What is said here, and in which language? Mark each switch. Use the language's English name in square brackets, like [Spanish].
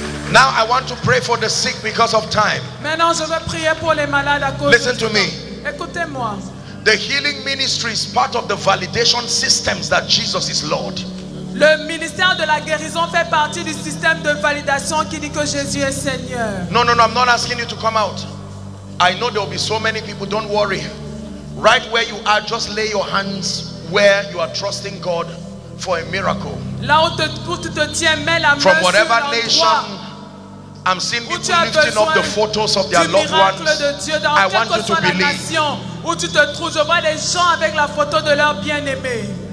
[English] Now I want to pray for the sick because of time. [French] Maintenant, je vais prier pour les malades à cause. [English] Listen to me. [French] Écoutez-moi. [English] The healing ministry is part of the validation systems that Jesus is Lord. [French] Le ministère de la guérison fait partie du système de validation qui dit que Jésus est Seigneur. [English] No, I'm not asking you to come out. I know there will be so many people, don't worry. Right where you are, just lay your hands where you are trusting God for a miracle. [French] Là où tu te tiens, mets la main. [English] From whatever nation, I'm seeing people lifting up the photos of their loved ones. I want you to believe. [French] Où tu te trouves, je vois les gens avec la photo de leur bien-aimé.